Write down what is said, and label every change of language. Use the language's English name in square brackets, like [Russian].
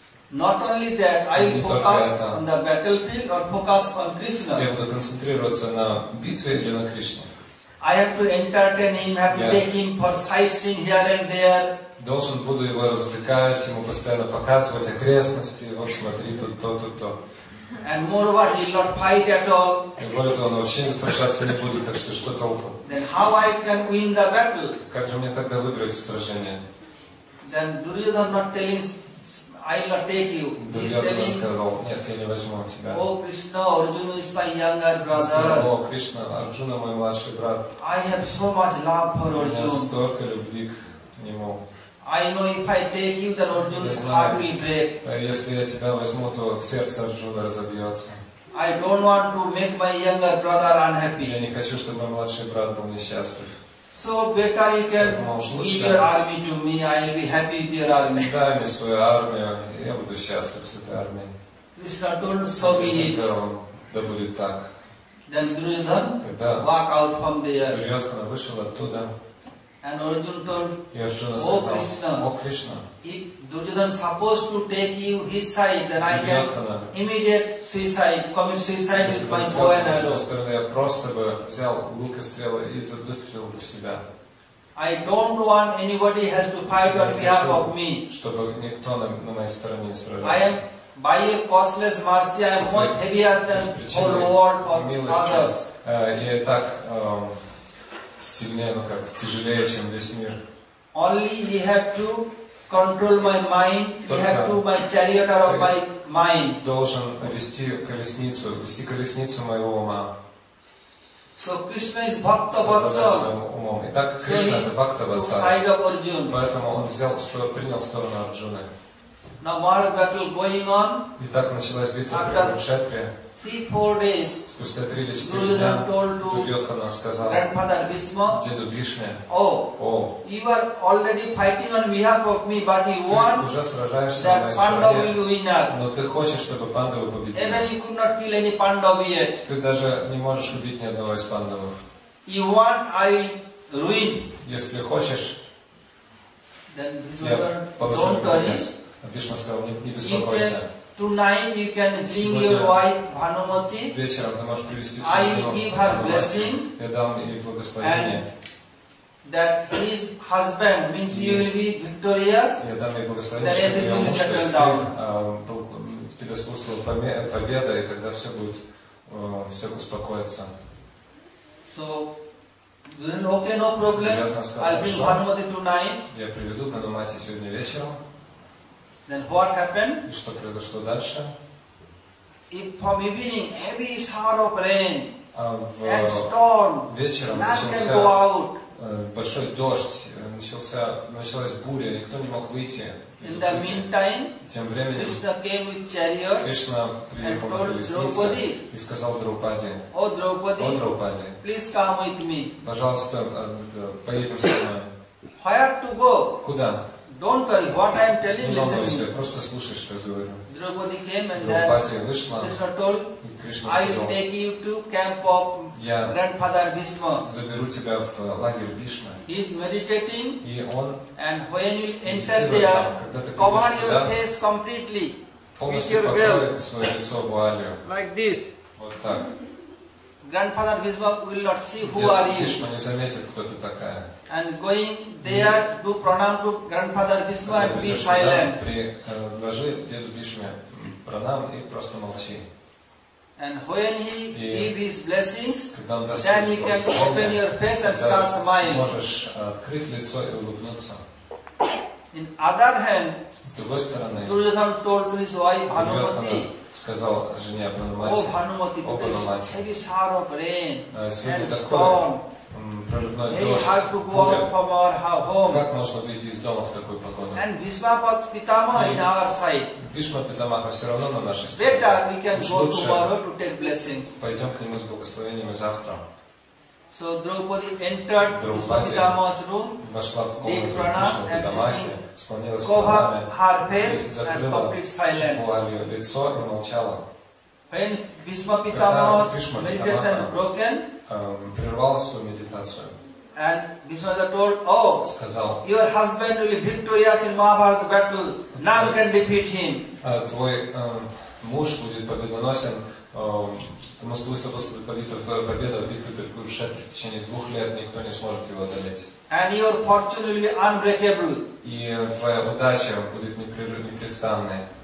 [English] Not only that, I focus on the battlefield or focus on Krishna. [Russian] Я буду концентрироваться на битве или на Кришне. [English] I have to entertain him, have to take him for sightseeing here and there. [Russian] Должен буду его развлекать, ему постоянно показывать окрестности, вот смотри, тут то. [English] And moreover, he will not fight at all. [Russian] И более того, он вообще не сражаться не будет, так что толку? [English] Then how I can win the battle? [Russian] Как же мне тогда выиграть сражение? [English] Then Duryodhan not telling, I will not take you. [Russian] Duryodhan сказал, нет, я не возьму тебя. [English] Oh Krishna, Arjuna is my younger brother. [Russian] О, Кришна, Арджуна мой младший брат. [English] I have so much love for Arjuna. [Russian] У меня столько любви к нему. [English] I know if I take you, then Arjuna's heart will break. [Russian] Если я тебя возьму, то сердце Арджуны разобьется. [English] I don't want to make my younger brother unhappy. [Russian] Я не хочу, чтобы мой младший брат был несчастлив. [English] So better you can give your army to me, I'll be happy with your army. [Russian] Дай мне свою армию, я буду счастлив с этой армией. [English] Krishna told, so be it. [Russian] Да будет так. [English] Then Duryodhana walk out from there. [Russian] Вышел оттуда. [English] And Arjuna told, [Russian] Arjuna сказал, О Кришна, [English] if Duryodhana supposed to take you his side, then I can immediate suicide, commit suicide with my bow and arrow. [Russian] Стороны, я просто бы взял лук и стрелы и выстрелил бы в себя. [English] I don't want anybody has to fight on behalf of me. [Russian] Чтобы никто на моей стороне не сражался. [English] By a causeless mercy, I am much heavier than whole world of others. [Russian] Я так сильнее, как тяжелее, чем весь мир. [English] Only he have to control my mind. He have to my chariot or my mind. [Russian] Должен вести колесницу моего ума. [English] So Krishna is bhakta vatsa. [Russian] Итак, Кришна это бхакта ватсала. Поэтому он принял сторону Арджуны. [English] Now war battle going on. [Russian] И так началась битва в Курукшетре. Спустя 3 или 4 дня Дурьотхана сказал деду Бишме, [English] О, you are already fighting on behalf of me, but you want [Russian] ты уже сражаешься на моей стороне, но ты хочешь, чтобы пандавы победили. [English] Even you could not kill any Pandav yet. [Russian] Ты даже не можешь убить ни одного из пандавов. [English] You want, I ruin. [Russian] Если хочешь, [English] then [Russian] я положу конец. А Бишма сказал, не беспокойся. [English] Tonight you can bring your wife Bhanumati. [Russian] Вечером ты можешь привести свою жену. [English] I will give her blessing. [Russian] Я дам ей благословение. [English] And that his husband means you will be victorious. [Russian] Я дам ей благословение, чтобы ее муж в тебя спустил победа, и тогда все будет все успокоиться. [English] So then okay, no problem. I'll bring Bhanumati tonight. [Russian] Я приведу Бханумати сегодня вечером. [English] Then what happened? [Russian] И что произошло дальше? [English] If from evening heavy sorrow rain and storm, [Russian] вечером начался большой дождь, началась буря, никто не мог выйти. [English] In the meantime, [Russian] тем временем [English] Кришна came with chariot. [Russian] Кришна приехал на колеснице и сказал Драупаде: [English] О Драупаде, please come with me. [Russian] Пожалуйста, поедем со мной. [English] Where to go? [Russian] Куда? [English] Don't worry, what I am telling you. [Russian] Не волнуйся, просто слушай, что я говорю. [English] Draupadi came and Draupadi [Russian] вышла. [English] Krishna told, [Russian] и Кришна сказал, [English] I will take you to camp of grandfather Bhishma. [Russian] Заберу тебя в лагерь Бишмы. [English] He is meditating. [Russian] И он. [English] And when you enter there, cover your face completely. [Russian] Полностью покрой свое лицо вуалью. [English] Like this. [Russian] Вот так. [English] Grandfather Bhishma will not see who are you. [Russian] Бишма не заметит, кто ты такая. [English] And going there to pranam to grandfather Bhishma and be silent. [Russian] Предложи деду Бишме пранам и просто молчи. [English] And when he give his blessings, then you can open your face and start smiling. [Russian] Можешь открыть лицо и улыбнуться. [English] In other hand, [Russian] с другой стороны, [English] Duryodhana told to his wife Bhanumati. [Russian] Сказал жене Бханумати, [English] О Бханумати, heavy sorrow, rain and storm. [Russian] Проливной дождь. Как можно выйти из дома в такую погоду? Бишма Питамаха все равно на нашей стороне. Уж лучше пойдем к нему с благословениями завтра. [English] So Draupadi entered Bhishma-pitamaha's room, [Russian] вошла в комнату Бхишма-питамахи, склонилась к панаме и закрыла вуалью лицо и молчала. [English] When Bhishma-pitamaha's meditation broken, [Russian] прервала свою медитацию. [English] And Bhishma told, Oh, [Russian] сказал, [English] your husband will be victorious in Mahabharata battle. None can defeat him. [Russian] Твой муж будет победоносен. Потому что выступает победа в битве при Курукшетре в течение 2 лет, никто не сможет его одолеть. [English] And your fortune will be unbreakable. [Russian] И твоя удача будет непрестанной.